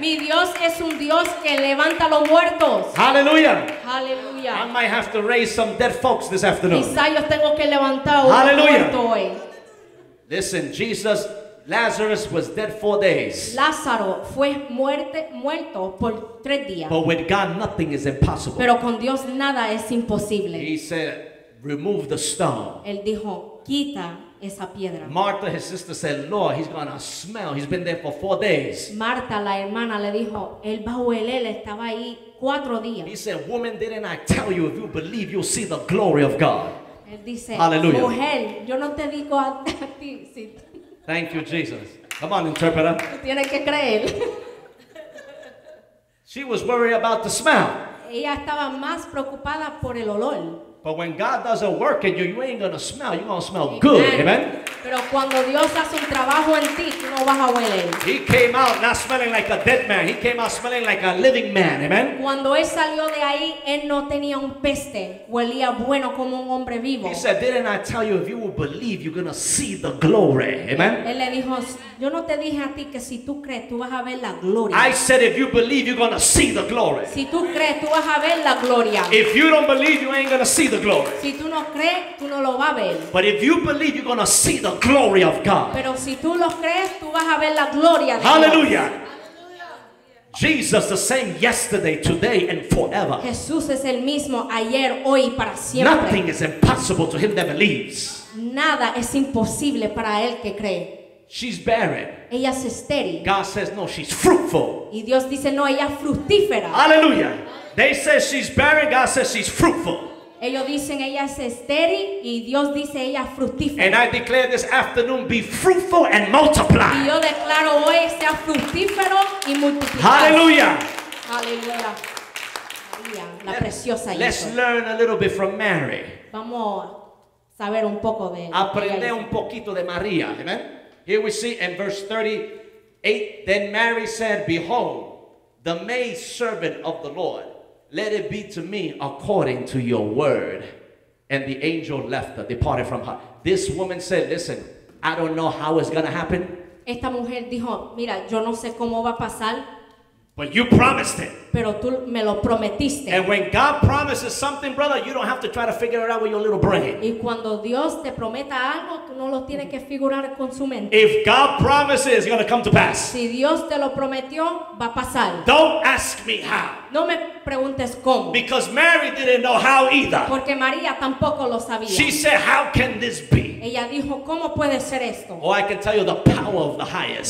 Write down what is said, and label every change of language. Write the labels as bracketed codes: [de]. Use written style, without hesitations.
[es] Mi Dios es un Dios que levanta los muertos. [en] Hallelujah. Hallelujah. I might have to raise some dead folks this afternoon. [es] Quizá yo tengo que levantar un muerto hoy. [en] Listen, Jesus, Lazarus was dead 4 days. [es] Lázaro fue muerto por 3 días. [en] But with God, nothing is impossible. [es] Pero con Dios nada es imposible. [en] He said, "Remove the stone." [es] Él dijo, quita esa piedra. [en] Martha, his sister, said, "Lord, he's gonna smell. He's been there for 4 days." [es] Marta, la hermana, le dijo, él va a oler. Estaba ahí 4 días. [en] He said, "Woman, didn't I tell you if you believe, you'll see the glory of God?" [es] Él dice, hallelujah. Mujer, yo no te digo a ti si. [en] Thank you, Jesus. Come on, interpreter. [es] Tiene que creer. [en] She was worried about the smell. [es] Ella estaba más preocupada por el olor. [en] But when God does a work in you, you ain't gonna smell. You're gonna smell good. Amen. [es] Pero cuando Dios hace un trabajo en ti, tú no vas a oler. [en] He came out not smelling like a dead man. He came out smelling like a living man. Amen. [es] Cuando él salió de ahí, él no tenía un peste. Huelía bueno como un hombre vivo. [en] He said, "Didn't I tell you if you will believe, you're gonna see the glory?" Amen. [es] Él le dijo, yo no te dije a ti que si tú crees, tú vas a ver la gloria. [en] I said, "If you believe, you're gonna see the glory." [es] Si tú crees, tú vas a ver la gloria. [en] If you don't believe, you ain't gonna see the glory. [es] Si tú no crees, tú no lo vas a ver. [en] But if you believe, you're gonna see the glory of God. [es] Pero si tú lo crees, tú vas a ver la gloria de [en] Hallelujah. [es] Dios. [en] Jesus the same yesterday, today, and forever. [es] Jesús es el mismo ayer, hoy, para siempre. [en] Nothing is impossible to him that believes. [es] Nada es imposible para el que cree. [en] She's barren. [es] Ella es estéril. [en] God says no, she's fruitful. [es] Y Dios dice no, ella es fructífera. [en] Hallelujah. They say she's barren, God says she's fruitful. [es] Ellos dicen ella es estéril y Dios dice ella es fructífera. [en] And I declare this afternoon, be fruitful and multiply. [es] Y yo declaro hoy sea fructífero y multiplicado. [en] Hallelujah. [es] Hallelujah. La preciosa hija. [en] Let's learn a little bit from Mary. [es] Vamos a saber un poco de aprender un poquito de María. Amen. [en] Here we see in verse 38, then Mary said, "Behold, the maid servant of the Lord. Let it be to me according to your word." And the angel left her, departed from her. This woman said, "Listen, I don't know how it's going to happen." [es] Esta mujer dijo, "Mira, yo no sé cómo va a pasar." [en] But you promised it. [es] Pero tú me lo prometiste. [en] And when God promises something, brother, you don't have to try to figure it out with your little brain. [es] Y cuando Dios te prometa algo, tú no lo tienes que figurar con su mente. [en] If God promises, it's going to come to pass. [es] Si Dios te lo prometió, va a pasar. [en] Don't ask me how. [es] No me preguntes cómo. [en] Because Mary didn't know how either. [es] Porque María tampoco lo sabía. [en] She said, "How can this be?" [es] Ella dijo, ¿cómo puede ser esto? [en] Oh, I can tell you the power of the highest.